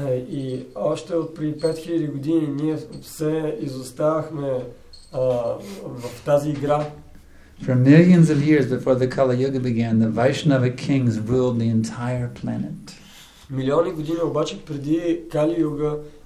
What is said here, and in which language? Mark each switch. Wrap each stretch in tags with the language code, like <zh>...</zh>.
<bg>И още от преди 5000 години ние все изоставахме в тази игра.</bg> <en>For millions of years before the Kali Yuga began, the Vaishnava kings ruled the entire planet.</en> <bg>Милиони години обаче преди Кали Юга</bg>